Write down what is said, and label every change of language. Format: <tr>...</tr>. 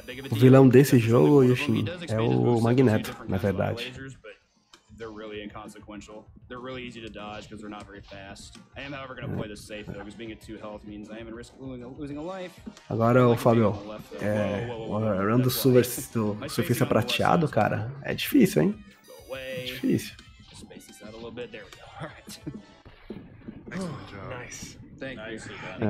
<pt>O vilão desse jogo, Yushin, é o Magneto, na verdade.</pt> <en>They're really inconsequential. They're really easy to dodge because they're not very fast. I am, however, going to play this safe though, because being at 2 health means I am in risk of losing a life.</en> <pt>Agora, o Fabio, run do surfista prateado, cara, é difícil, hein? É difícil.</pt> <en>Space this out a little bit. There we go. All right. Nice.</en> <pt>É</pt>